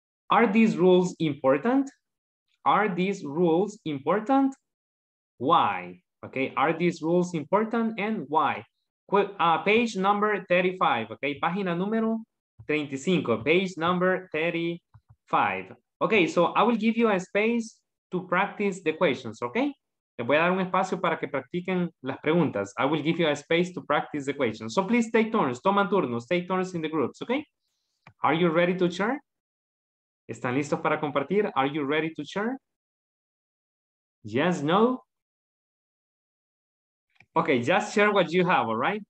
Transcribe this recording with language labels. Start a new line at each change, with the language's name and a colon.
English: Are these rules important? Are these rules important? Why? Okay, are these rules important and why? Page number 35, okay?
Spanish: Página número 35,
English: page number 35. Okay, so I will give you a space to practice the questions, okay?
Spanish: Le voy a dar un espacio para que practiquen las preguntas.
English: I will give you a space to practice the questions. So please take turns.
Spanish: Toman turnos.
English: Take turns in the groups, okay? Are you ready to share?
Spanish: ¿Están listos para compartir?
English: Are you ready to share? Yes, no? Okay, just share what you have, all right?